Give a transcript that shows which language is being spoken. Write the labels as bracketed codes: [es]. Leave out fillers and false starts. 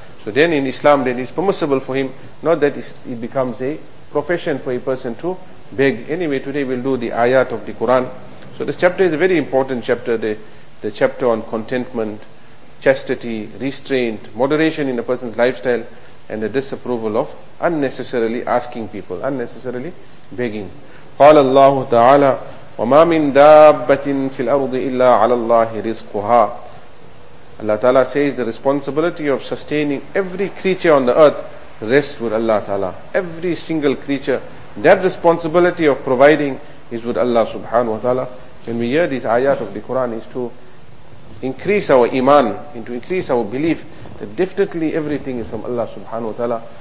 [en] So then in Islam, then it's permissible for him, not that it becomes a profession for a person to beg. Anyway, today we'll do the ayat of the Quran. So this chapter is a very important chapter, the chapter on contentment, chastity, restraint, moderation in a person's lifestyle, and the disapproval of unnecessarily asking people, unnecessarily begging. [ar] قال الله تعالى وما من دابة في الأرض إلا على الله رزقها. [en] Allah Ta'ala says the responsibility of sustaining every creature on the earth rests with Allah Ta'ala. Every single creature, that responsibility of providing is with Allah subhanahu wa ta'ala. When we hear these ayat of the Quran, is to increase our iman and to increase our belief that definitely everything is from Allah subhanahu wa ta'ala.